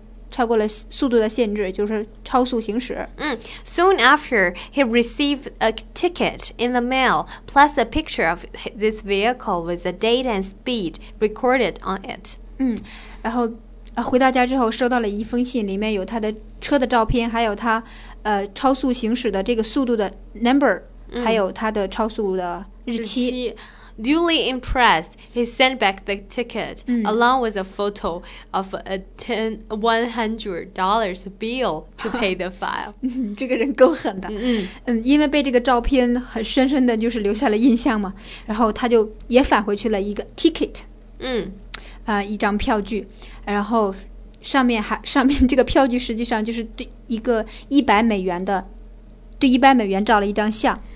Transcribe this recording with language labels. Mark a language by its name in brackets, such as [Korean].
[Chinese] 超过了速度的限制，就是超速行驶。 [English] Soon after, he received a ticket in the mail, plus a picture of this vehicle with the date and speed recorded on it. [Chinese] 然后回到家之后收到了一封信，里面有他的车的照片，还有他超速行驶的这个速度的 number，还有他的超速的日期。 [English] duly impressed, he sent back the ticket、 mm. along with a photo of a $100 bill to pay the fine. [Chinese] 这个人够狠的、 mm-hmm. 嗯、因为被这个照片很深深的就是留下了印象嘛，然后他就也返回去了一个 ticket、 mm. 一张票据，然后上面这个票据实际上就是对一个$100的，对$100照了一张相。